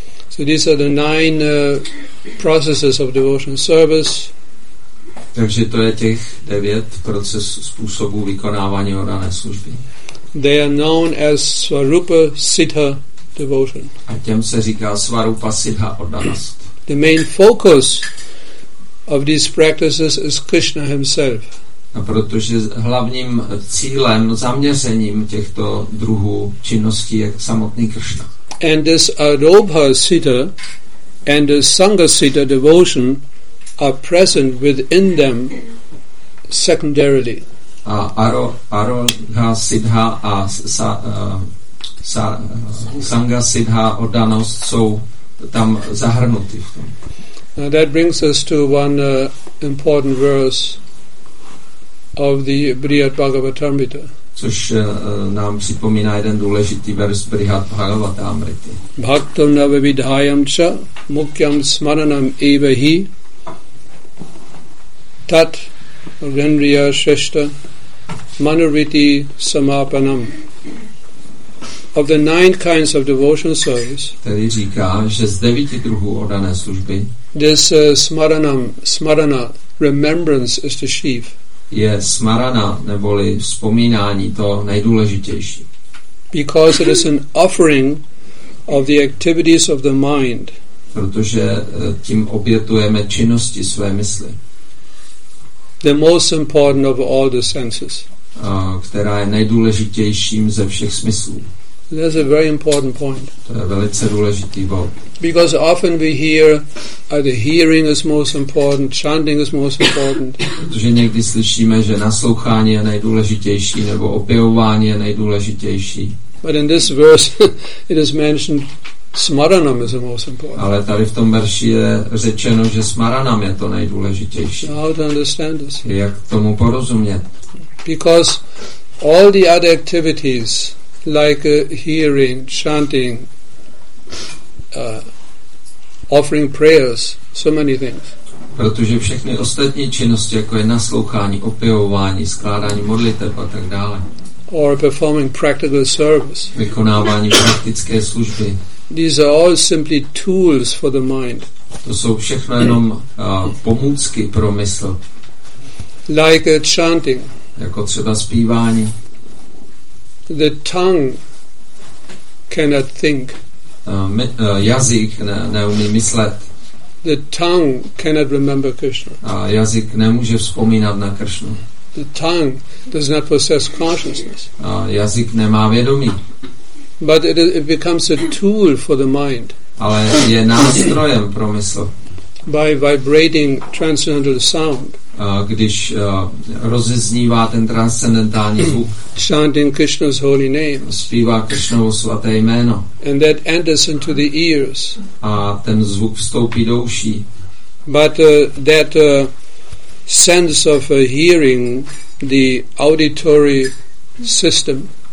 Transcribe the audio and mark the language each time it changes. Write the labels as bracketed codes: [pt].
[en] So these are the nine processes of devotional service. [cs] Takže to je těch devět proces způsobů vykonávání oddané služby. [en] They are known as Svarupa Siddha devotion. [cs] A těm se říká Svarupa Siddha oddanost. [en] The main focus of these practices is Krishna himself. [cs] A protože hlavním cílem, zaměřením těchto druhů činností je samotný Krishna. [en] And this Arobha Siddha and the Sangha Siddha devotion are present within them secondarily. [cs] A Arobha Siddha a Sangha Siddha oddanost jsou tam zahrnutý v tom. [en] Now that brings us to one important verse of the Brihat Bhagavatamrita. [cs] Což nám připomíná jeden důležitý vers Brihat Bhagavatamrity. [sa] Bhaktam navavidhayam cha mukyam smaranam eva hi tat rendriya shreshta manuriti samapanam. [en] Of the nine kinds of devotional service. [cs] Tady říká, že z devíti druhů oddané služby. [en] This smaranam, smarana, remembrance is the chief. [cs] Je smarana, neboli vzpomínání, to nejdůležitější. [en] Because it is an offering of the activities of the mind. [cs] Protože tím obětujeme činnosti své mysli. [en] The most important of all the senses. [cs] Která je nejdůležitějším ze všech smyslů. [en] That's a very important point. [cs] To je velice důležitý bod. [en] Because often we hear the hearing is most important, chanting is most important. [cs] Protože někdy slyšíme, že naslouchání je nejdůležitější nebo opěvování je nejdůležitější. [en] But in this verse it is mentioned smaranam is the most important. [cs] Ale tady v tom verši je řečeno, že smaranam je to nejdůležitější. [en] How to understand this? [cs] Jak tomu porozumět? [en] Because all the other activities like hearing, chanting, offering prayers, so many things. [cs] Protože všechny ostatní činnosti, jako je naslouchání, opěvování, skládání modlitev a tak dále. [en] Or performing practical service. [cs] Vykonávání praktické služby. [en] These are all simply tools for the mind. [cs] To jsou všechno jenom pomůcky pro mysl. [en] Like chanting. [cs] Jako třeba zpívání. [en] The tongue cannot think. [cs] Jazyk neumí myslet. [en] The tongue cannot remember Krishna. [cs] Jazyk nemůže vzpomínat na Krishnu. [en] The tongue does not possess consciousness. [cs] Jazyk nemá vědomí. [en] But it becomes a tool for the mind. [cs] Ale je nástrojem pro mysl. [en] By vibrating transcendental sound. [cs] Když rozeznívá ten transcendentální zvuk, [en] chanting Krishna's holy name, [cs] zpívá Krishnovo svaté jméno, [en] and that enters into the ears, [cs] a ten zvuk vstoupí do uší, [en] but that sense of hearing, the auditory system,